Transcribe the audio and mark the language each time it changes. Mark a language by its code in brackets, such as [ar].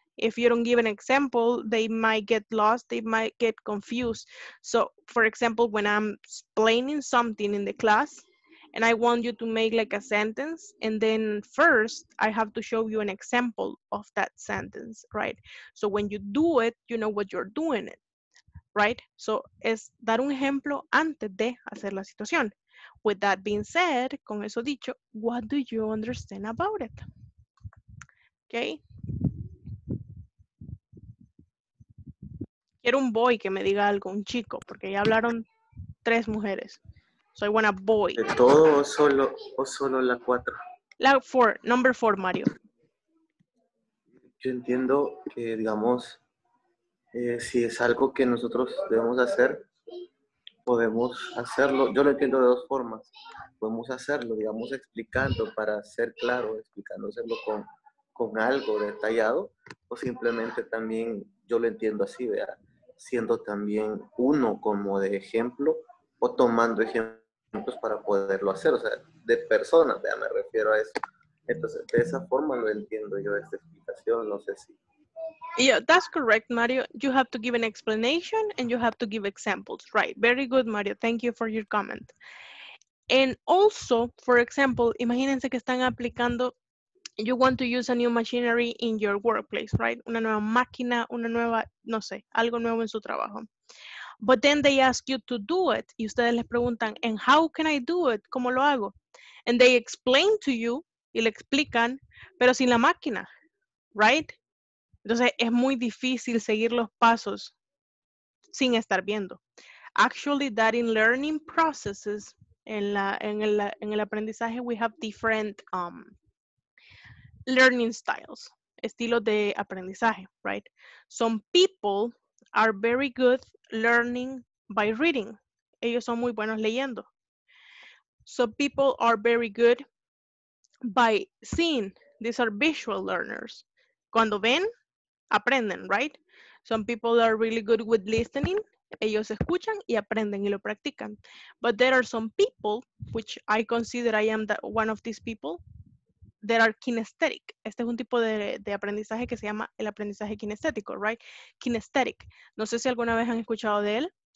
[en] If you don't give an example, they might get lost, they might get confused. So for example, when I'm explaining something in the class and I want you to make like a sentence, and then first I have to show you an example of that sentence, right? So when you do it, you know what you're doing it, right? [es] So es dar un ejemplo antes de hacer la situación. [en] With that being said, [es] con eso dicho, [en] what do you understand about it? Okay. [es] Quiero un boy que me diga algo, un chico, porque ya hablaron tres mujeres. Soy buena boy. ¿De todo o solo la cuatro? [en] La four, number four, Mario. [es] Yo entiendo que, digamos, si es algo que nosotros debemos hacer, podemos hacerlo. Yo lo entiendo de dos formas. Podemos hacerlo, digamos, explicando para ser claro, explicándoselo con algo detallado, o simplemente también, yo lo entiendo así, ¿verdad? Siendo también uno como de ejemplo, o tomando ejemplo para poderlo hacer, o sea, de personas, ya me refiero a eso. Entonces, de esa forma lo entiendo yo, esta explicación, no sé si. [en] Yeah, that's correct, Mario. You have to give an explanation and you have to give examples, right? Very good, Mario. Thank you for your comment. And also, for example, [es] imagínense que están aplicando, [en] you want to use a new machinery in your workplace, right? [es] Una nueva máquina, una nueva, no sé, algo nuevo en su trabajo. [en] But then they ask you to do it. [es] Y ustedes les preguntan, [en] and how can I do it? [es] ¿Cómo lo hago? [en] And they explain to you, [es] y le explican, pero sin la máquina, right? Entonces, es muy difícil seguir los pasos sin estar viendo. [en] actually that in learning processes, [es] en el aprendizaje, [en] we have different learning styles, [es] estilos de aprendizaje, [en] right? Some people are very good learning by reading. [es] Ellos son muy buenos leyendo. [en] Some people are very good by seeing. These are visual learners. [es] Cuando ven, aprenden, [en] right? Some people are really good with listening. [es] Ellos escuchan y aprenden y lo practican. [en] But there are some people, which I consider I am that one of these people, that are kinesthetic. [es] Este es un tipo de aprendizaje que se llama el aprendizaje kinestético, right? Kinesthetic. No sé si alguna vez han escuchado de él.